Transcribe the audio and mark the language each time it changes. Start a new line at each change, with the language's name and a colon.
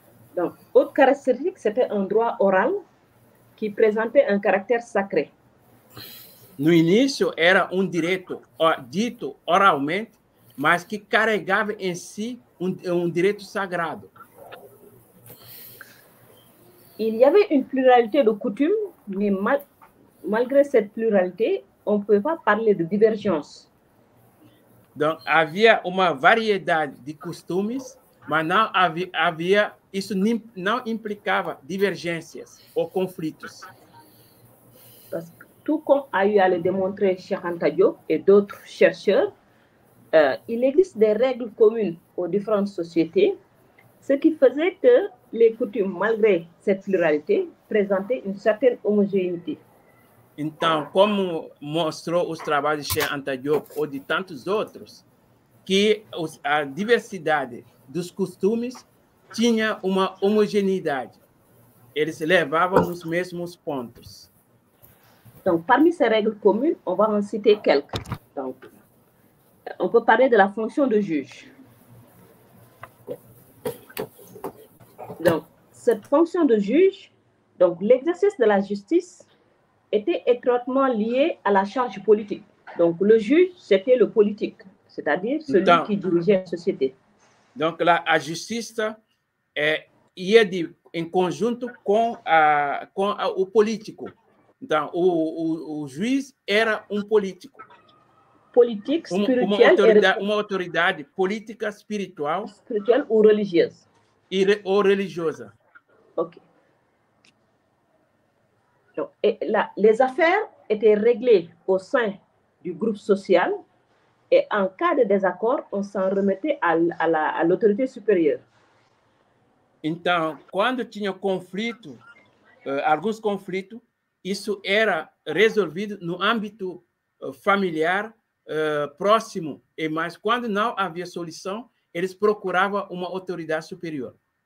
Portuguese: Então, outra característica,
French: c'était
Portuguese: um
French: droit oral
Portuguese: que apresenta um caráter sacré. No início, era um direito dito oralmente, mas que carregava em si um direito sagrado.
French: Il y avait une pluralité de coutumes, mais malgré cette pluralité, on ne peut pas parler de divergence.
Portuguese: Donc, havia uma variedade de costumes, mas não havia isso não implicava divergências ou conflitos.
French: Parce que, tout comme a eu à le démontrer Cheikh Anta Diop et d'autres chercheurs, il existe des règles communes aux différentes sociétés, ce qui faisait que les coutumes, malgré cette pluralité, présentaient une certaine homogénéité.
Portuguese: Então, como mostrou os trabalhos de Cheikh Anta Diop ou de tantos outros, que a diversidade dos costumes tinha uma homogeneidade. Eles levavam nos mesmos pontos.
French: Então, parmi ces règles communes, on va en citer quelques. Então, on peut parler de la fonction de juge. Donc, cette fonction de juge, donc l'exercice de la justice était étroitement lié à la charge politique. Donc, le juge, c'était le politique, c'est-à-dire celui donc, qui dirigeait la société. Donc, la justice est liée en conjoint avec le politique. Donc, le juge era un politique. Politique,
Portuguese: uma autoridade política espiritual ou religiosa. Ou religiosa. Ok.
French: Então, les affaires étaient réglées au sein du groupe social et en cas de désaccord, on s'en remettait à l'autorité supérieure.
Portuguese: Então, quando tinha conflito, alguns conflitos, isso era resolvido no âmbito familiar, próximo, mas quando não havia solução, eles procuravam uma autoridade superior.